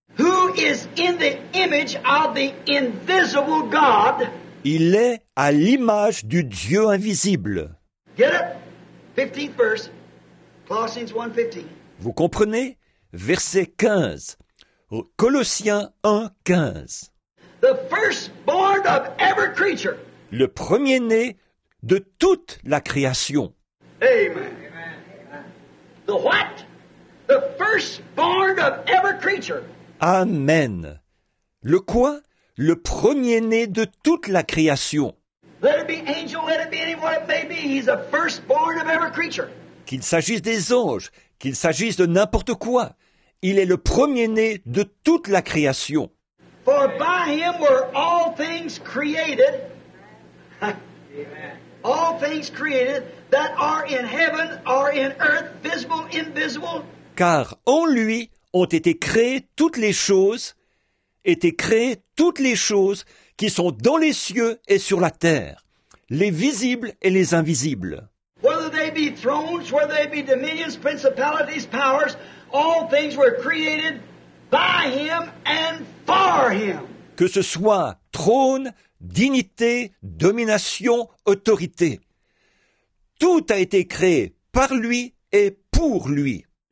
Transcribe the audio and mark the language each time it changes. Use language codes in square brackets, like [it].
[en] Who is in the image of the invisible God? [fr] Il est à l'image du Dieu invisible. [en] Get it? 15th verse. Colossians 1:15. [fr] Vous comprenez? Verset 15. Colossiens 1, 15. [en] The firstborn of every creature. [fr] Le premier-né de toute la création. [en] Amen. The what? The firstborn of every creature. [fr] Amen. Le quoi? Le premier-né de toute la création. [en] Let it be angel, let it be anyone it may be, he's the firstborn of every creature. [fr] Qu'il s'agisse des anges, qu'il s'agisse de n'importe quoi, il est le premier-né de toute la création. [en] For by him were all things created, all things created that are in heaven, are in earth, visible, invisible. [fr] Car en lui ont été créées toutes les choses, étaient créées toutes les choses qui sont dans les cieux et sur la terre, les visibles et les invisibles. [en] Whether they be thrones, whether they be dominions, principalities, powers, all things were created by him and for him. [fr] Que ce soit trône, dignité, domination, autorité, tout a été créé par lui et pour lui.